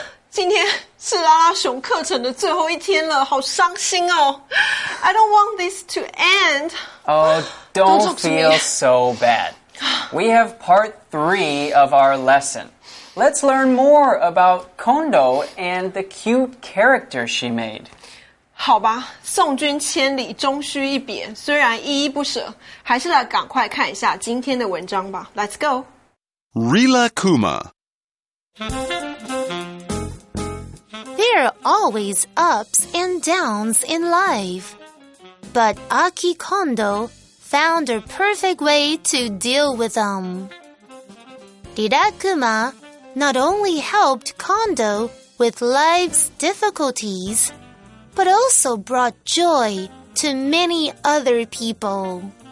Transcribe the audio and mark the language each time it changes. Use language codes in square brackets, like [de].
[zh] 今天是阿拉熊课程的最后一天了，好伤心哦。 [en] I don't want this to end. Oh, don't feel so bad. We have part three of our lesson. Let's learn more about Kondo and the cute character she made. [zh] 好吧，送君千里，终须一别。虽然依依不舍，还是来赶快看一下今天的文章吧。 [en] Let's go. Rila Kuma. There are always ups and downs in life. But Aki Kondo found a perfect way to deal with them. Rila Kuma not only helped Kondo with life's difficulties,but also brought joy to many other people.